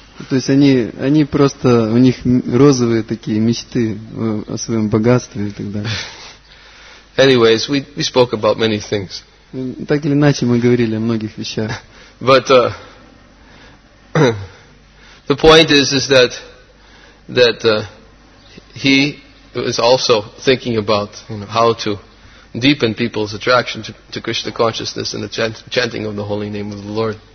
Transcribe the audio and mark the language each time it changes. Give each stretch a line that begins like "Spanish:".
Russian: То есть они просто, у них розовые такие мечты о своем богатстве и так далее.
English: Anyways, we spoke about many things.
Russian: Так или иначе, мы говорили о многих вещах.
English: But the point is that he is also thinking about how to deepen people's attraction to Krishna consciousness and the chanting of the holy name of the Lord.